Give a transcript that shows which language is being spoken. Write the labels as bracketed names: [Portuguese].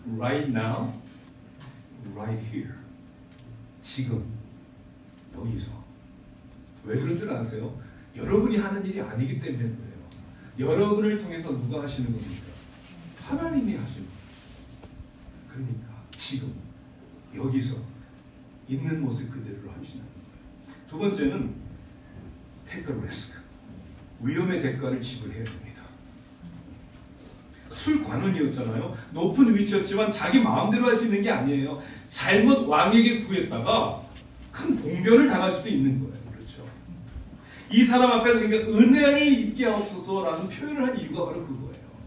[English] Right now, right here. [Korean] 지금, 여기서. 왜 그런 줄 아세요? 여러분이 하는 일이 아니기 때문에 그래요. 여러분을 통해서 누가 하시는 겁니까? 하나님이 하시는 겁니다. 그러니까 지금 여기서 있는 모습 그대로 하시는 겁니다. 두 번째는 [English] take a risk. [Korean] 위험의 대가를 지불해야 됩니다. 술 관원이었잖아요. 높은 위치였지만 자기 마음대로 할 수 있는 게 아니에요. 잘못 왕에게 구했다가 큰 봉변을 당할 수도 있는 거예요. 이 사람 앞에서 그러니까 은혜를 입게 하옵소서라는 표현을 한 이유가 바로 그거예요.